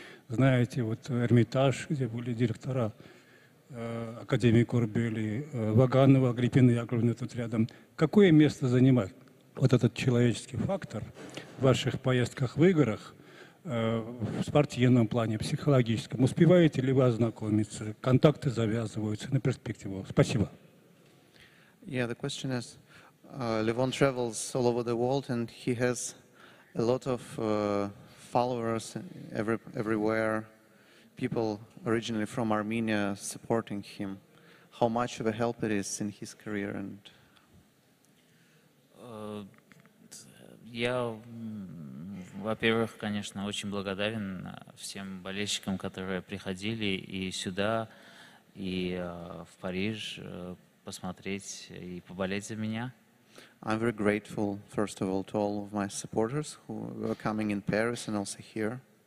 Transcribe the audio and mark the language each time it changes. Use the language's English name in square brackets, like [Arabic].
[Russian] Знаете, вот Эрмитаж, где были директора Академии Корбели, Ваганова, Агриппина Яковлевна тут рядом. Какое место занимает вот этот человеческий фактор в ваших поездках, в играх, в спортивном плане, психологическом? Успеваете ли вы ознакомиться? Контакты завязываются на перспективу. Спасибо. [English] Yeah, the question is, Levon travels all over the world and he has a lot of followers everywhere, people originally from Armenia supporting him. How much of a help it is in his career? And [Russian] я, во-первых, конечно, очень благодарен всем болельщикам, которые приходили и сюда, и в Париж, посмотреть и поболеть за меня. [English] I'm very grateful, first of all, to all of my supporters who are coming in Paris and also here.